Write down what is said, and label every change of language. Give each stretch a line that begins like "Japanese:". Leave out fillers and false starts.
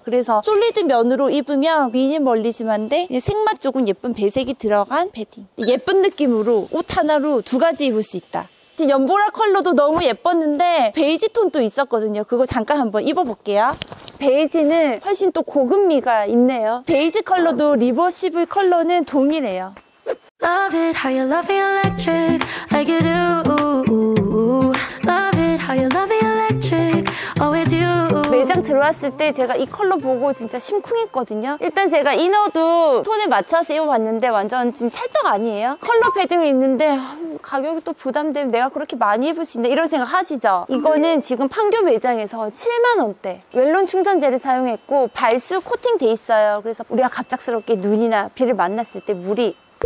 Korean: 그래서 솔리드 면으로 입으면 미니멀리즘한데 색맛 조금 예쁜 배색이 들어간 패딩. 예쁜 느낌으로 옷 하나로 두 가지 입을 수 있다. 지금 연보라 컬러도 너무 예뻤는데 베이지 톤도 있었거든요. 그거 잠깐 한번 입어볼게요. 베이지는 훨씬 또 고급미가 있네요. 베이지 컬러도 리버시블 컬러는 동일해요.
English: Love it how you love me electric like you do. Love it how you love me electric always you.
Korean: 매장 들어왔을 때 제가 이 컬러 보고 진짜 심쿵했거든요. 일단 제가 이너도 톤에 맞춰서 입어봤는데 완전 지금 찰떡 아니에요? 컬러 패딩을 입는데 가격이 또 부담되면 내가 그렇게 많이 입을 수 있나 이런 생각 하시죠? 이거는 지금 판교 매장에서 7만원대. 웰론 충전제를 사용했고 발수 코팅 돼 있어요. 그래서 우리가 갑작스럽게 눈이나 비를 만났을 때 물이